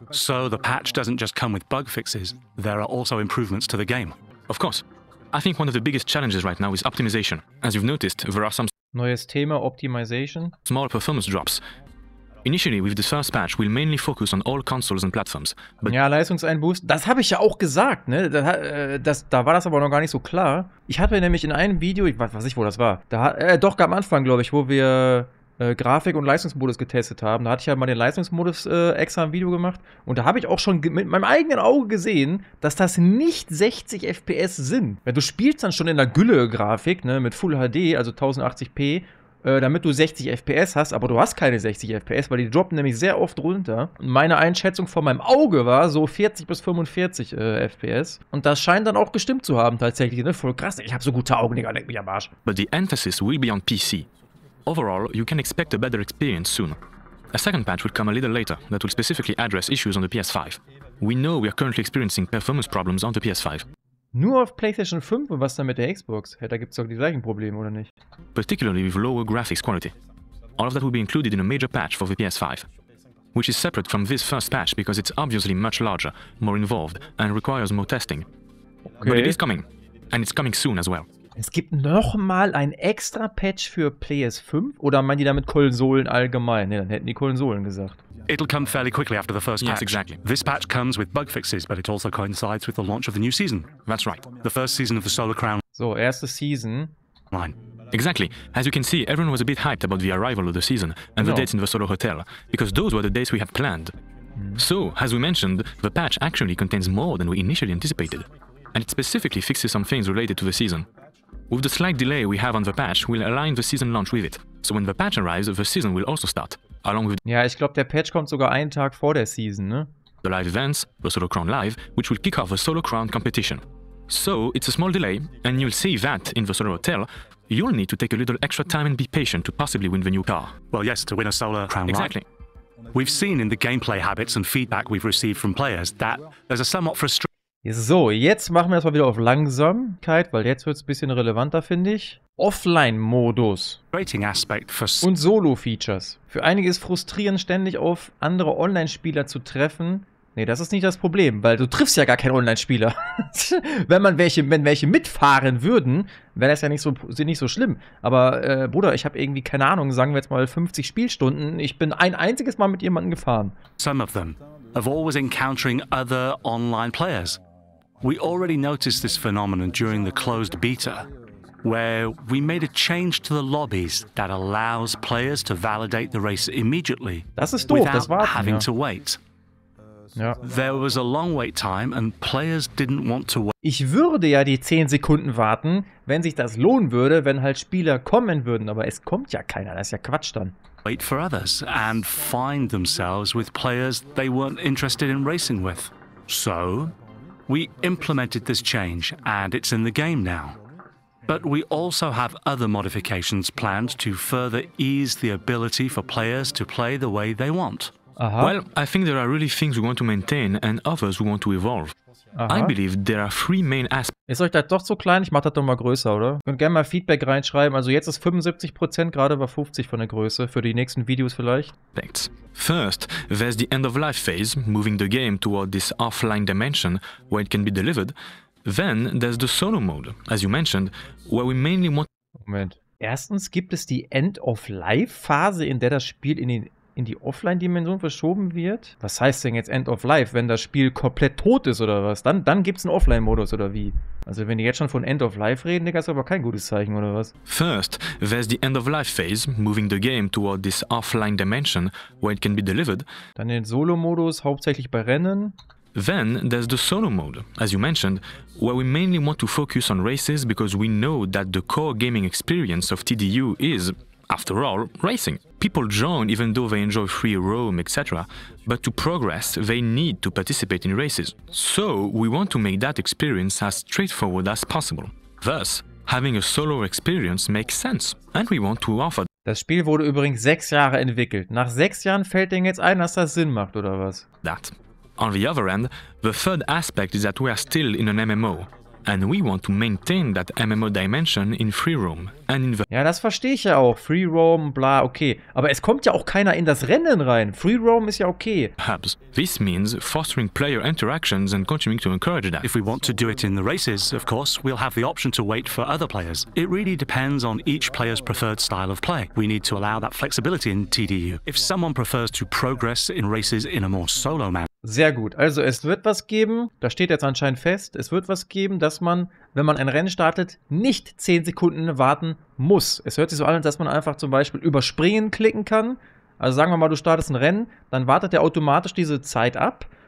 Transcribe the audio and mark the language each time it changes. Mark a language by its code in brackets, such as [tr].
[en] So the patch doesn't just come with bug fixes, there are also improvements to the game. Of course. I think one of the biggest challenges right now is optimization. As you've noticed, there are some [de] neues Thema, optimization. [en] Small performance drops. Initially, with the first patch, we'll mainly focus on all consoles and platforms. [de] But ja, Leistungseinboost. Das habe ich ja auch gesagt, ne? Da war das aber noch gar nicht so klar. Ich hatte nämlich in einem Video, ich weiß nicht, wo das war, am Anfang, glaube ich, wo wir Grafik- und Leistungsmodus getestet haben. Da hatte ich ja mal den Leistungsmodus extra im Video gemacht. Und da habe ich auch schon mit meinem eigenen Auge gesehen, dass das nicht 60 FPS sind. Ja, du spielst dann schon in der Gülle-Grafik, ne, mit Full HD, also 1080p, damit du 60 FPS hast, aber du hast keine 60 FPS, weil die droppen nämlich sehr oft runter. Und meine Einschätzung von meinem Auge war so 40 bis 45 FPS. Und das scheint dann auch gestimmt zu haben tatsächlich. Ne? Voll krass, ich habe so gute Augen, Digga, leck mich am Arsch. [en] But the emphasis will be on PC. Overall, you can expect a better experience soon. A second patch will come a little later that will specifically address issues on the PS5. We know we are currently experiencing performance problems on the PS5. [de] Nur auf PlayStation 5 und was dann mit der Xbox? Ja, da gibt's doch die gleichen Probleme, oder nicht? [en] Particularly with lower graphics quality. All of that will be included in a major patch for the PS5. Which is separate from this first patch because it's obviously much larger, more involved and requires more testing. Okay. But it is coming. And it's coming soon as well. [de] Es gibt nochmal ein extra Patch für PS5? Oder meinen die damit Konsolen allgemein? Ne, dann hätten die Konsolen gesagt. [en] It'll come fairly quickly after the first patch. Yes, exactly. This patch comes with bug fixes, but it also coincides with the launch of the new season. That's right. The first season of the Solar Crown. [de] So, erste Season. Nein. [en] Exactly. As you can see, everyone was a bit hyped about the arrival of the season and the dates in the Solo Hotel, because those were the dates we had planned. So, as we mentioned, the patch actually contains more than we initially anticipated. And it specifically fixes some things related to the season. With the slight delay we have on the patch, we'll align the season launch with it. So when the patch arrives, the season will also start, along with [de] ja, ich glaube, der Patch kommt sogar einen Tag vor der Season, ne? [en] The live events, the Solo Crown Live, which will kick off the Solo Crown competition. So, it's a small delay, and you'll see that in the Solo Hotel, you'll need to take a little extra time and be patient to possibly win the new car. Well, yes, to win a Solo Crown Live. Exactly. We've seen in the gameplay habits and feedback we've received from players that there's a somewhat frustrating. [de] So, jetzt machen wir das mal wieder auf Langsamkeit, weil jetzt wird es ein bisschen relevanter, finde ich. Offline-Modus. [en] Rating Aspect for [de] und Solo-Features. Für einige ist frustrierend, ständig auf andere Online-Spieler zu treffen. Nee, das ist nicht das Problem, weil du triffst ja gar keinen Online-Spieler. wenn welche mitfahren würden, wäre das ja nicht so schlimm. Aber Bruder, ich habe irgendwie, keine Ahnung, sagen wir jetzt mal 50 Spielstunden. Ich bin ein einziges Mal mit jemandem gefahren. [en] Some of them. Of always encountering other online players. We already noticed this phenomenon during the closed beta, where we made a change to the lobbies that allows players to validate the race immediately without having to wait. [de] Ja. [en] There was a long wait time and players didn't want to wait. [de] Ich würde ja die 10 Sekunden warten, wenn sich das lohnen würde, wenn halt Spieler kommen würden, aber es kommt ja keiner, das ist ja Quatsch dann. [en] Wait for others and find themselves with players they weren't interested in racing with. So, we implemented this change and it's in the game now. But we also have other modifications planned to further ease the ability for players to play the way they want. Uh-huh. Well, I think there are really things we want to maintain and others we want to evolve. Uh-huh. I believe there are three main aspects. [de] Ist euch das doch zu klein? Ich mach das doch mal größer, oder? Könnt gerne mal Feedback reinschreiben. Also jetzt ist 75% gerade bei 50 von der Größe. Für die nächsten Videos vielleicht. [en] Thanks. First, there's the end-of-life phase, moving the game toward this offline dimension, where it can be delivered. Then, there's the solo mode, as you mentioned, where we mainly want... [de] Moment. Erstens gibt es die End-of-Life-Phase, in der das Spiel in die Offline-Dimension verschoben wird? Was heißt denn jetzt End of Life, wenn das Spiel komplett tot ist oder was? Dann gibt's einen Offline-Modus oder wie? Also wenn die jetzt schon von End of Life reden, Digga, ist aber kein gutes Zeichen, oder was? [en] First, there's the End of Life phase, moving the game toward this offline dimension, where it can be delivered. [de] Dann den Solo-Modus, hauptsächlich bei Rennen. [en] Then there's the solo mode, as you mentioned, where we mainly want to focus on races because we know that the core gaming experience of TDU is, after all, racing. People join even though they enjoy free roam, etc. But to progress, they need to participate in races. So we want to make that experience as straightforward as possible. Thus, having a solo experience makes sense, and we want to offer. [de] Das Spiel wurde übrigens 6 Jahre entwickelt. Nach 6 Jahren fällt denen jetzt ein, dass das Sinn macht, oder was? [en] That. On the other end, the third aspect is that we are still in an MMO, and we want to maintain that MMO dimension in free roam and in the. [de] Ja, das verstehe ich ja auch. Free roam, bla, okay. Aber es kommt ja auch keiner in das Rennen rein. Free roam ist ja okay. [en] Perhaps this means fostering player interactions and continuing to encourage that. If we want to do it in the races, of course, we'll have the option to wait for other players. It really depends on each player's preferred style of play. We need to allow that flexibility in TDU. If someone prefers to progress in races in a more solo manner. [de] Sehr gut. Also es wird was geben, da steht jetzt anscheinend fest, es wird was geben, dass man, wenn man ein Rennen startet, nicht 10 Sekunden warten muss. Es hört sich so an, dass man einfach zum Beispiel überspringen klicken kann. Also sagen wir mal, du startest ein Rennen, dann wartet der automatisch diese Zeit ab.